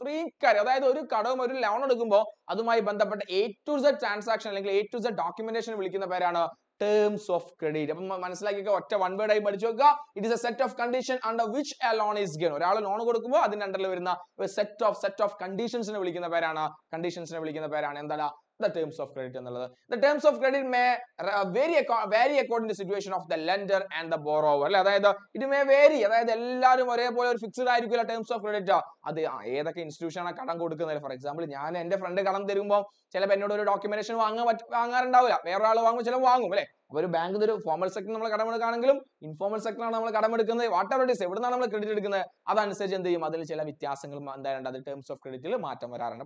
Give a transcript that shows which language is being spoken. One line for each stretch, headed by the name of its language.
Malayalam: ഇത്രയും കാര്യം, അതായത് ഒരു കടവും ഒരു ലോൺ എടുക്കുമ്പോൾ അതുമായി ബന്ധപ്പെട്ട എ ടു സെഡ് ട്രാൻസാക്ഷൻ അല്ലെങ്കിൽ എ ടു സെഡ് ഡോക്യുമെന്റേഷൻ വിളിക്കുന്ന പേരാണ് terms of credit. അപ്പൊ മനസ്സിലാക്കിയൊക്കെ ഒറ്റ വൺ വേർഡായി പഠിച്ചു നോക്കുക.
English: It is a set of condition under which a loan is given.
Malayalam: ഒരാൾ ലോൺ കൊടുക്കുമ്പോൾ അതിന്റെ അണ്ടറിൽ വരുന്ന ഒരു സെറ്റ് ഓഫ് കണ്ടീഷൻസിനെ വിളിക്കുന്ന പേരാണ് എന്താണ് the terms of credit എന്നുള്ളത്.
English: The terms of credit may vary according to the situation of the lender and the borrower.
Malayalam: അതായത്
English: it may vary,
Malayalam: അതായത് എല്ലാവരും ഒരേപോലെ ഒരു ഫിക്സ്ഡ് ആയിരിക്കില്ല ടേംസ് ഓഫ് ക്രെഡിറ്റ്. അത് ഏതൊക്കെ ഇൻസ്റ്റിറ്റ്യൂഷൻ ആണ് കടം കൊടുക്കുന്നത്, ഫോർ എക്സാമ്പിൾ ഞാൻ എന്റെ ഫ്രണ്ട് കടം തരുമ്പോൾ ചിലപ്പോൾ എന്നോട് ഒരു ഡോക്യുമെന്റേഷൻ വാങ്ങാറുണ്ടാവില്ല, വേറൊരാൾ വാങ്ങുമ്പോൾ ചിലപ്പോൾ വാങ്ങും അല്ലേ. ഒരു ബാങ്ക് ഒരു ഫോർമൽ സെക്ടർ നമ്മൾ കടം എടുക്കുകയാണെങ്കിലും ഇൻഫോർമൽ സെക്ടറാണ് നമ്മൾ കടം എടുക്കുന്നത്,
English: whatever it is,
Malayalam: എവിടെ നിന്നാണ് നമ്മൾ ക്രെഡിറ്റ് എടുക്കുന്നത്, അതനുസരിച്ച് എന്ത് ചെയ്യും അതിൽ ചില വ്യത്യാസങ്ങളും എന്തായാലും അത് ടേംസ് ഓഫ് ക്രെഡിറ്റിൽ മാറ്റം വരാറുണ്ട്.